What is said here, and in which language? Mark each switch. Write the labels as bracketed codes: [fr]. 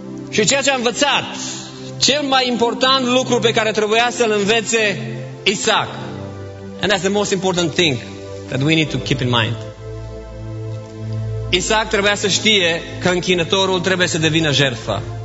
[ro] Și ceea ce a învățat, cel mai important lucru pe care trebuia să-l învețe Isaac. [en] And that's the most important thing that we need to keep in mind. [ro] Isaac trebuia să știe că închinătorul trebuie să devină jertfă.